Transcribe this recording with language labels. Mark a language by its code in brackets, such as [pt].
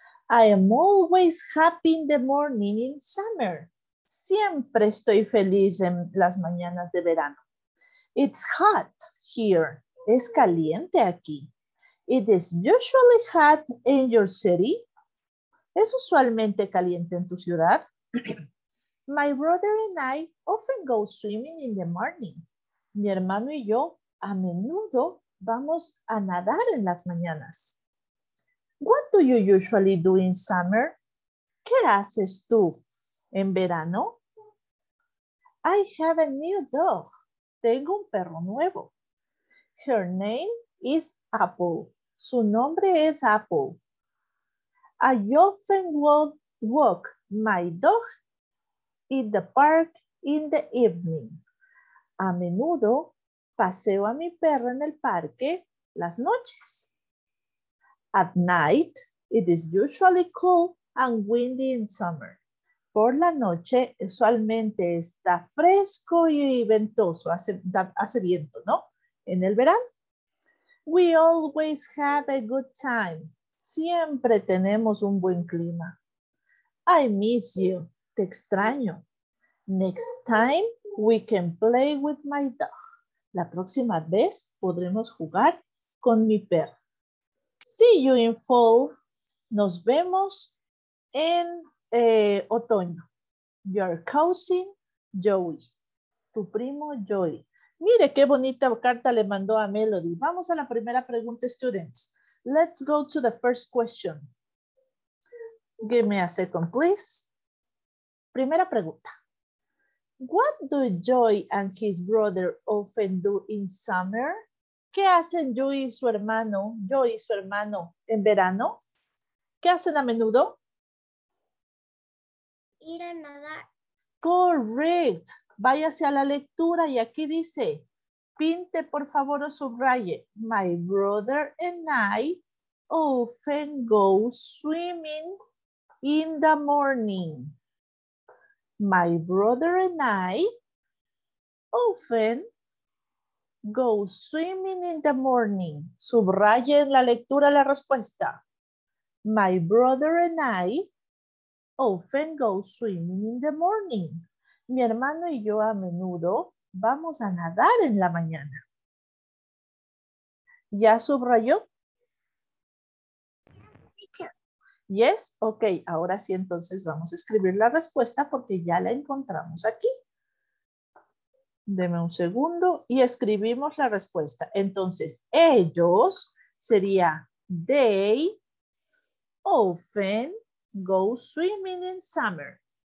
[en] I am always happy in the morning in summer. [es] Siempre estoy feliz en las mañanas de verano. [en] It's hot here. [es] Es caliente aquí. [en] It is usually hot in your city. [es] ¿Es usualmente caliente en tu ciudad? [en] My brother and I often go swimming in the morning. [es] Mi hermano y yo a menudo vamos a nadar en las mañanas. [en] What do you usually do in summer? [es] ¿Qué haces tú en verano? [en] I have a new dog. [es] Tengo un perro nuevo. [en] Her name is Apple. [es] Su nombre es Apple. [en] I often walk my dog in the park in the evening. [es] A menudo paseo a mi perro en el parque las noches. [en] At night, it is usually cool and windy in summer. [es] Por la noche, usualmente está fresco y ventoso, hace viento, ¿no? En el verano. [en] We always have a good time. [es] Siempre tenemos un buen clima. [en] I miss you. [es] Te extraño. [en] Next time we can play with my dog. [es] La próxima vez podremos jugar con mi perro. [en] See you in fall. [es] Nos vemos en otoño. [en] Your cousin Joey. [es] Tu primo Joey. Mire qué bonita carta le mandó a Melody. [en] Vamos a la primera pregunta, students. Let's go to the first question. Give me a second, please. [es] Primera pregunta. [en] What do Joy and his brother often do in summer? [es] ¿Qué hacen Joy y su hermano en verano? ¿Qué hacen a menudo? Ir a nadar. [en] Correct. [es] Váyase a la lectura y aquí dice, pinte por favor o subraye. [en] My brother and I often go swimming in the morning. My brother and I often go swimming in the morning. [es] Subraye en la lectura la respuesta. [en] My brother and I often go swimming in the morning. [es] Mi hermano y yo a menudo vamos a nadar en la mañana. ¿Ya subrayó? [en] Yes, ok. [es] Ahora sí, entonces vamos a escribir la respuesta porque ya la encontramos aquí. Deme un segundo y escribimos la respuesta. Entonces, ellos sería [en] they often go swimming in summer.